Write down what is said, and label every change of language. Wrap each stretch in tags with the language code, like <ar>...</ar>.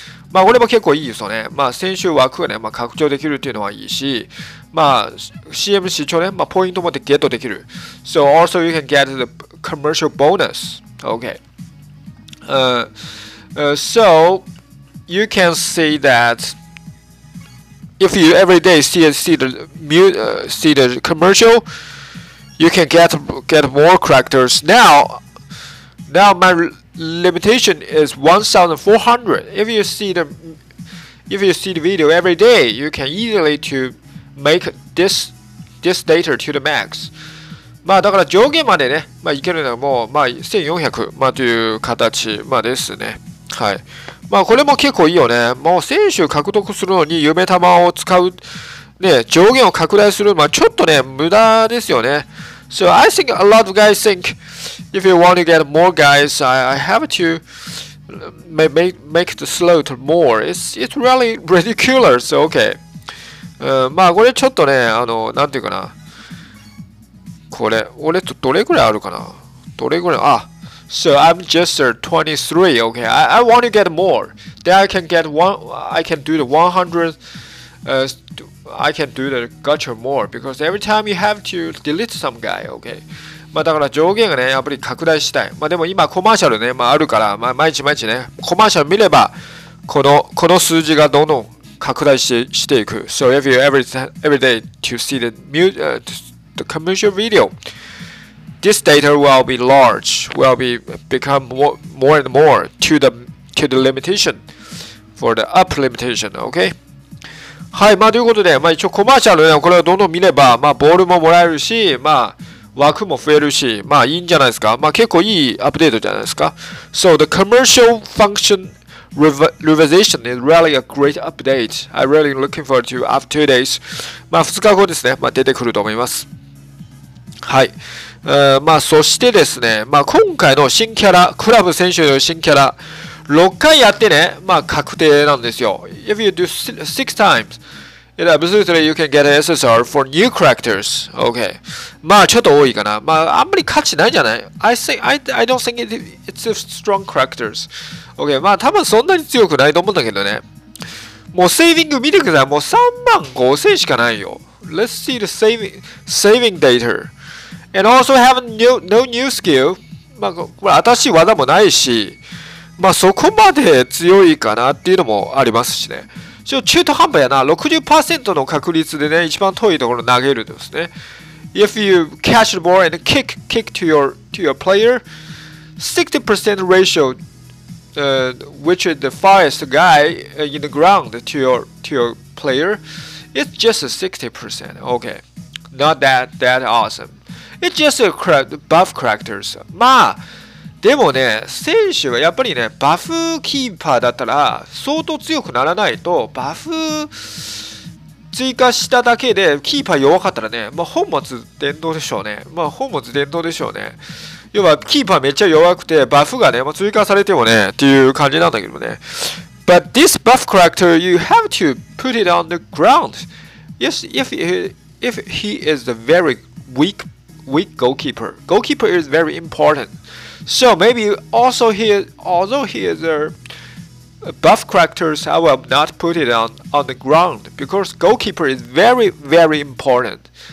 <ja>まあ、これも結構いいですよね。まあ、選手枠がね、まあ、拡張できるっていうのはいいし、まあ、CM 視聴ね、まあ、ポイントもでゲットできる。</ja> <en>So, also, you can get the commercial bonus. Okay. So, you can see that. If you every day see the commercial, you can get more characters. Now my limitation is 1,400. If you see the video every day, you can easily to make this data to the max.</en> <ja>まあだから上限までね、まあいけるのはもうまあ1,400まあという形まあですね。はい。まあこれも結構いいよね。もう選手獲得するのに夢玉を使う、ね、上限を拡大する、まあちょっとね、無駄ですよね。</ja> <en>So I think a lot of guys think if you want to get more guys, I have to make the slot more. It's really ridiculous. Okay.</en> <ja>まあこれちょっとね、なんていうかな。これ、俺とどれぐらいあるかな? どれぐらい?あ。</ja> <en>So I'm just 23, okay. I want to get more. Then I can get one. I can do the 100. I can do the gacha more because every time you have to delete some guy, okay.</en> <ja>まあだから上限がね、やっぱり拡大したい。まあでも今コマーシャルね、まああるから、まあ毎日毎日ね、コマーシャル見ればこの数字がどんどん拡大していく。</ja> <en>So if you every day to see the commercial video. This data will be large, will be become more and more to the limitation for the up limitation, okay?</en> <ja>はい、まあということで、まあ一応コマーシャルね、これをどんどん見れば、まあボールももらえるし、まあ枠も増えるし、まあいいんじゃないですか。まあ結構いいアップデートじゃないですか。</ja> <en>So the commercial function revision is really a great update. I'm really looking forward to after 2 days.</en> <ja>まあ、2日後ですね。まあ、出てくると思います。はい。まあ、そしてですね。まあ、今回の新キャラ、クラブ選手の新キャラ、6回やってね。まあ、確定なんですよ。</ja> <en>If you do 6 times, it absolutely you can get an SSR for new characters. Okay.</en> <ja>まあ、ちょっと多いかな。まあ、あんまり価値ないじゃない</ja> <en>?I think, I don't think it's a strong characters. Okay.</en> <ja>まあ、多分そんなに強くないと思うんだけどね。もう、セービング見てください。もう3万5千しかないよ。</ja> <en>Let's see the saving data. And also have no new skill.</en> <ja>まあ、これ新しい技もないし、まあ、そこまで強いかなっていうのもありますしね。ちょっと中途半端やな。 60% の確率でね、一番遠いところ投げるんですね。</ja> <en>If you catch the ball and kick to your player, 60% ratio, which is the farthest guy in the ground to your player, it's just 60%. Okay, not that awesome. It's just a buff characters.</en> <ja>まあ、でもね、選手はやっぱりね、バフキーパーだったら、相当強くならないと、バフ追加しただけで、キーパー弱かったらね、まあ、本末転倒でしょうね。まあ、本末転倒でしょうね。要は、キーパーめっちゃ弱くて、バフがね、まあ、追加されてもね、っていう感じなんだけどね。</ja> <en>But this buff character, you have to put it on the ground. Yes, if he is a very weak goalkeeper. Goalkeeper is very important. So maybe also although he is a buff character, I will not put it on the ground because goalkeeper is very, very important.</en>